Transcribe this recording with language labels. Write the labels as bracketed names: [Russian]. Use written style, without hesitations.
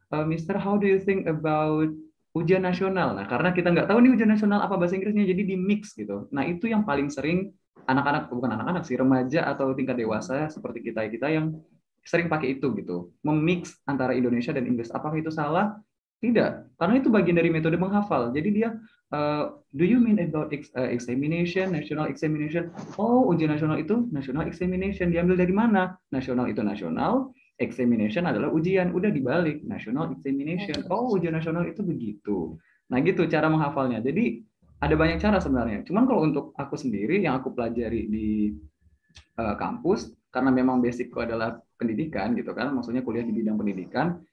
[English] Mister, how do you think about ujian nasional? [Indonesian] Nah, karena kita nggak tahu nih ujian nasional apa bahasa Inggrisnya, jadi di mix gitu. Nah, itu yang paling sering anak-anak, bukan anak-anak sih, remaja atau tingkat dewasa seperti kita yang sering pakai itu gitu, memix antara Indonesia dan Inggris. Apakah itu salah? Tidak, karena itu bagian dari metode menghafal. Jadi dia, [English] do you mean about examination, national examination? [Indonesian] Oh, ujian nasional itu national examination. Diambil dari mana? Nasional itu nasional, examination adalah ujian. Udah dibalik, national examination. Oh, ujian nasional itu begitu. Nah, gitu cara menghafalnya. Jadi ada banyak cara sebenarnya. Cuman kalau untuk aku sendiri, yang aku pelajari di kampus, karena memang basicku adalah pendidikan gitu kan, maksudnya kuliah di bidang pendidikan.